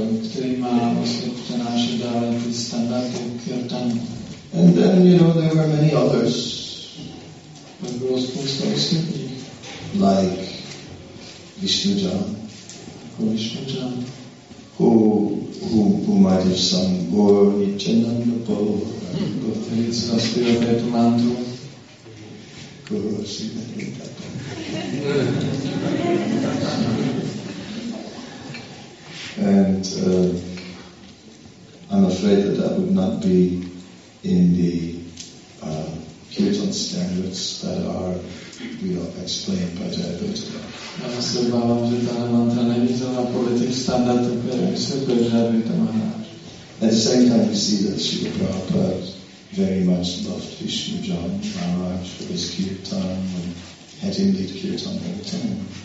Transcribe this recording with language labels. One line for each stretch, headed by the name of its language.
Czech: který má vlastně přenášet dále ty standardy kirtanu.
English: And then, you know, there were many others.
Czech: Pak bylo spousta ostatní.
English: Like Vishnujan.
Czech: Jako Vishnujan.
English: Who might have sung Gaur Nityananda Paul.
Czech: Kdo který se zaspíval této mantru.
English: Guru Sinarita. And I'm afraid that that would not be in the kirtan standards that are, you know, explained by Jayadvaita.
Czech: Já se obávám, že tahle mantra není zrovna podle těch standardů, které vysvětluje Jayadvaita Maharaj.
English: At the same time, we see that Srila Prabhupada very much loved Vishnujan Maharaj for his kirtan and had him lead kirtan all the time.